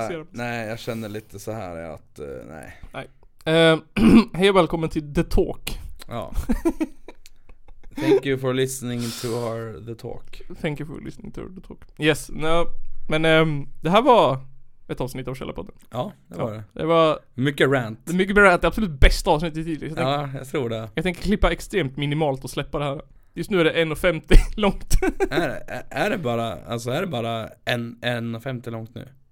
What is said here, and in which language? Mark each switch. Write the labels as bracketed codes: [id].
[sv] Nej, jag känner lite så här att nej. Nej. Hej och välkommen till The Talk. Ja. [en] Thank you for listening to our The Talk. Thank you for listening to our The Talk. Yes. No. [sv] Men det här var ett avsnitt av Källarpodden. Ja, det var det. Det var mycket rant. Mycket rant, det absolut bästa avsnittet hittills. Ja, jag tror det. Jag tänker klippa extremt minimalt och släppa det här. Just nu är det 1,50 långt. Är det bara 1,50 långt nu?